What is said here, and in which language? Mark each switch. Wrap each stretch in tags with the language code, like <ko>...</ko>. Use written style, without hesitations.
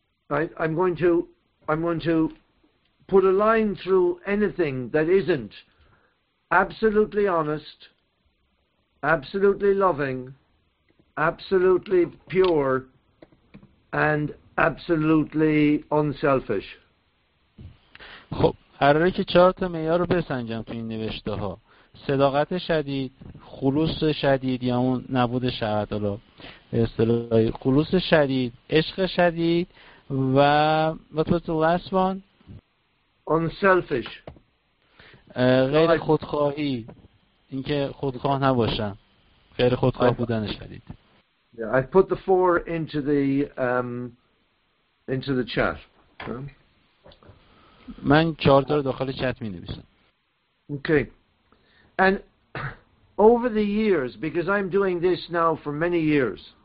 <en>I'm going to put a line through anything that isn't absolutely honest, absolutely loving, absolutely pure, and absolutely unselfish.</en> <fa>قراره که چهار تا معیار رو بسنجم تو این نوشته ها. صداقت شدید، خلوص شدید یا اون نبود شهادت، حالا به اصطلاح خلوص شدید، عشق شدید و</fa> <en>what was the last one? Unselfish.</en> <fa>غیر خودخواهی. این که خودخواه نباشم. غیر خودخواه بودن شدید.</fa> <en>Yeah, I put the four into the chat.</en> <fa>من چهار تا رو داخل چت می نویسم.</fa> <en>Okay. And over the years, because I'm doing this now for many years.</en>